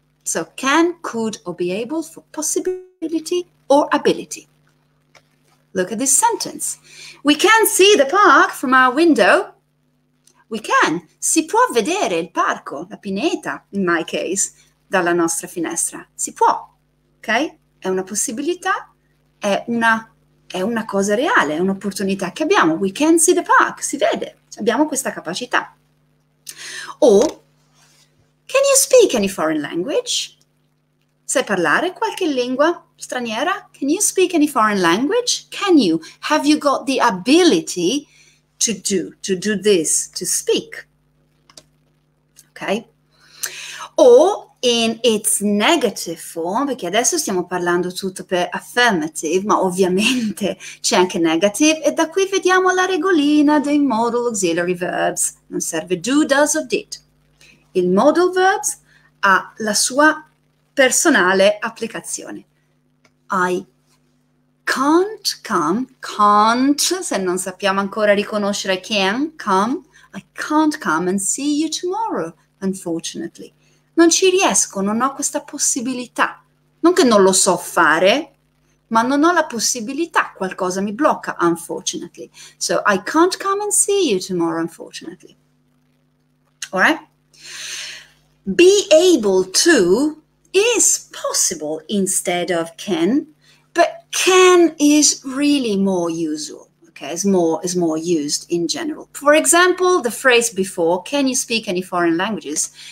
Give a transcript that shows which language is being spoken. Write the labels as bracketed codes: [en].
[en] So can, could or be able for possibility or ability. Look at this sentence. We can see the park from our window. We can. [it] Si può vedere il parco, la pineta, [en] in my case, [it] dalla nostra finestra. Si può. Ok? È una possibilità, è una cosa reale, è un'opportunità che abbiamo. [en] We can see the park. [it] Si vede. Abbiamo questa capacità. [en] O, can you speak any foreign language? [it] Sai parlare qualche lingua straniera? [en] Can you speak any foreign language? Can you? Have you got the ability to do this, to speak? Okay. Or in its negative form, [it] perché adesso stiamo parlando tutto per affirmative, ma ovviamente c'è anche negative, e da qui vediamo la regolina dei modal auxiliary verbs. Non serve do, does or did. Il modal verbs ha la sua personale applicazione. [en] I can't come, can't, [it] se non sappiamo ancora riconoscere [en] can, come, I can't come and see you tomorrow, unfortunately. [it] Non ci riesco, non ho questa possibilità. Non che non lo so fare, ma non ho la possibilità, qualcosa mi blocca, unfortunately. [en] So, I can't come and see you tomorrow, unfortunately. All right? Be able to is possible instead of can, but can is really more usual, okay? It's more used in general. For example, the phrase before, can you speak any foreign languages?